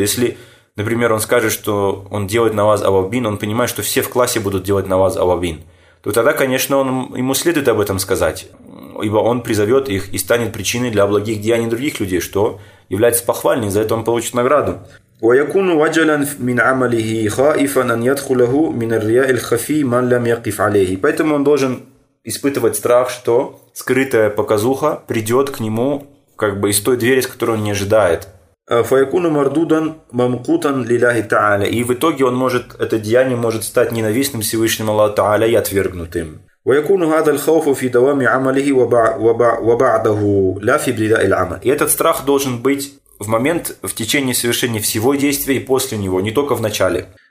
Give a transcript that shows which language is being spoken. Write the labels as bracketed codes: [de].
[ru] Если, например, он скажет, что он делает на вас авабин, он понимает, что все в классе будут делать на вас авабин, то тогда, конечно, он, ему следует об этом сказать, ибо он призовет их и станет причиной для благих деяний других людей, что является похвальным, за это он получит награду. [ar] ويكون وجلا من عمله خائفا أن يدخله من الرياء الخفي من لم يقف عليه. [ru] Поэтому он должен испытывать страх, что скрытая показуха придет к нему как бы из той двери, с которой он не ожидает. [ar] فيكون مردودا ممقوتا لله تعالى. [ru] И в итоге он может, это деяние может стать ненавистным Всевышним Аллаху Тааля и отвергнутым. [ar] ويكون هذا الخوف في دوام عمله وبعده لا في بداء العمل. [ru] И этот страх должен быть в момент, в течение совершения всего действия и после него, не только в начале.